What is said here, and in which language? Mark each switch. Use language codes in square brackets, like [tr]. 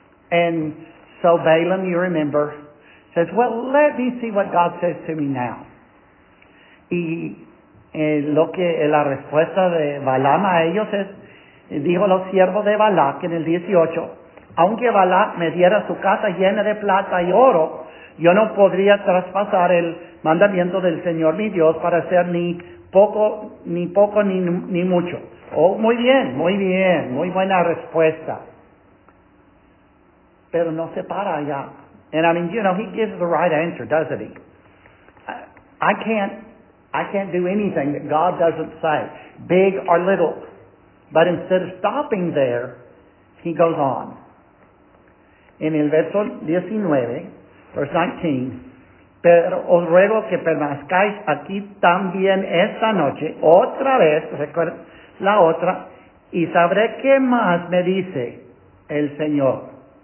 [en] And so Balaam, you remember, says, well, let me see what God says to me now. [es] Y lo que la respuesta de Balaam a ellos es, dijo los siervos de Balak en el 18, aunque Balak me diera su casa llena de plata y oro, yo no podría traspasar el mandamiento del Señor mi Dios para hacer ni poco ni mucho. Oh, muy bien, muy bien, muy buena respuesta. Pero no se para allá. [en] And I mean, you know, he gives the right answer, doesn't he? I can't do anything that God doesn't say, big or little. But instead of stopping there, he goes on. [es] En el verso 19, pero os ruego que permanezcáis aquí también esta noche, otra vez, recuerda la otra, y sabré qué más me dice el Señor.